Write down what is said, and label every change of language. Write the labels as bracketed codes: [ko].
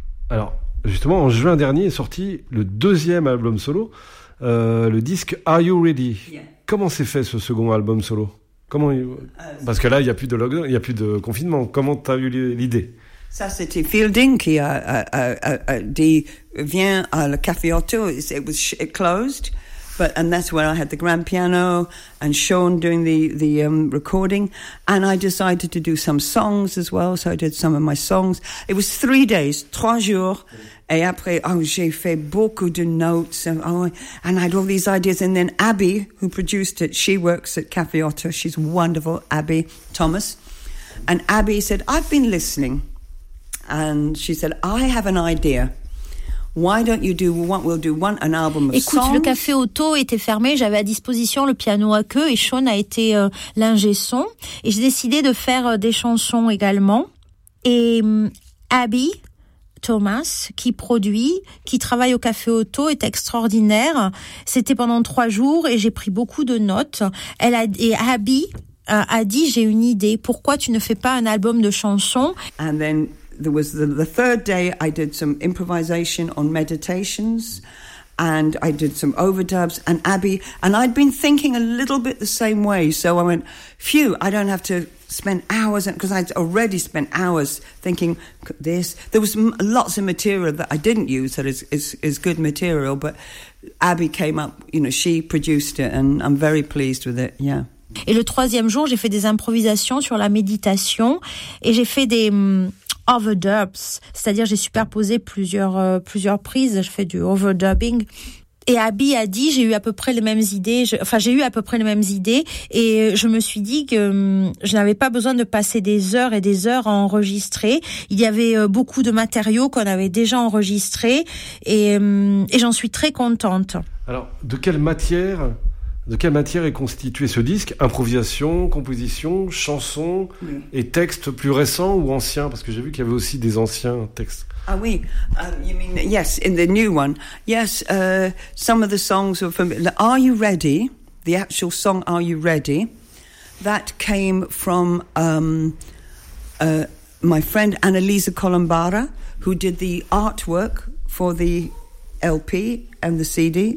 [fr] Alors, justement, en juin dernier est sorti le deuxième album solo, le disque Are You Ready? [en] Yeah. [fr] Comment s'est fait ce second album solo? Comment, parce que là, il n'y a plus de lockdown, il n'y a plus de confinement. Comment tu as eu l'idée? Ça, c'était Fielding qui a dit, viens à le Café Auto. [en] It closed, and that's where I had the grand piano and Sean doing the recording. And I decided to do some songs as well, so I did some of my songs. It was 3 days, [fr] 3 jours. Et après, j'ai fait beaucoup de notes. [en] And I had all these ideas. And then Abby, who produced it, she works at Café Auto. She's wonderful, Abby Thomas. And Abby said, I've been listening. And she said, I have an idea. Why don't you do what we'll do, one, an album of songs. [fr] Écoute, le Café Auto était fermé, j'avais à disposition le piano à queue et Sean a été l'ingé son. Et j'ai décidé de faire des chansons également. Et Abby Thomas, qui produit, qui travaille au Café Auto, est extraordinaire. C'était pendant 3 jours et j'ai pris beaucoup de notes. Et Abby a dit, j'ai une idée, pourquoi tu ne fais pas un album de chansons? [en] And then there was the third day I did some improvisation on meditations and I did some overdubs and Abby and I'd been thinking a little bit the same way, so I went, phew, I don't have to spend hours, because I'd already spent hours thinking this. There was lots of material that I didn't use that is good material, but Abby came up, you know, she produced it and I'm very pleased with it. Yeah. [fr] Et le troisième jour, j'ai fait des improvisations sur la méditation et j'ai fait des overdubs, c'est-à-dire j'ai superposé plusieurs prises, je fais du overdubbing. Et Abby a dit, j'ai eu à peu près les mêmes idées, j'ai eu à peu près les mêmes idées et je me suis dit que je n'avais pas besoin de passer des heures et des heures à enregistrer. Il y avait beaucoup de matériaux qu'on avait déjà enregistrés et j'en suis très contente. Alors, de quelle matière est constitué ce disque? Improvisation, composition, chanson, oui. Et textes plus récents ou anciens? Parce que j'ai vu qu'il y avait aussi des anciens textes. Ah oui, [en] you mean, yes, in the new one. Yes, some of the songs were from Are You Ready? The actual song Are You Ready? That came from my friend Annalisa Colombara, who did the artwork for the LP and the CD.